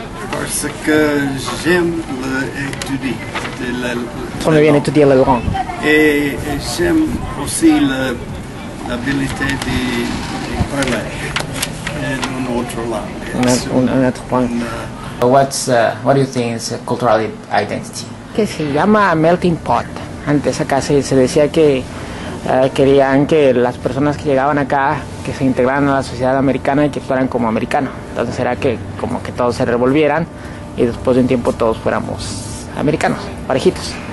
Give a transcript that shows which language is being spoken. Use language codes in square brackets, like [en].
[fr] Parce que j'aime étudier. Tu viens étudier la langue. Et j'aime aussi l'habilité de parler en une autre langue. Un autre point. [en] What do you think is a cultural identity? [es] Que se llama melting pot. Antes acá se decía que querían que las personas que llegaban acá, que se integraran a la sociedad americana y que fueran como americanos. Entonces era que como que todos se revolvieran y después de un tiempo todos fuéramos americanos, parejitos.